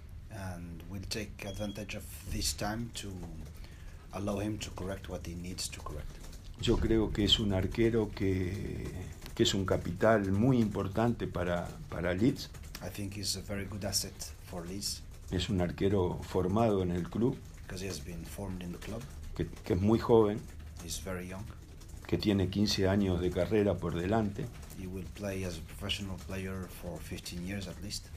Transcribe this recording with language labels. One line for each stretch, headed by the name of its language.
English: And we'll take advantage of this time to allow him to correct what he needs to correct.
Spanish: Yo creo que es un arquero que es un capital muy importante para Leeds.
English: I think he's a very good asset for Leeds.
Spanish: Es un arquero formado en el club.
English: Because he has been formed in the club.
Spanish: Que es muy joven.
English: He's very young.
Spanish: Que tiene 15 años de carrera por delante.
English: He will play as a professional player for 15 years at least.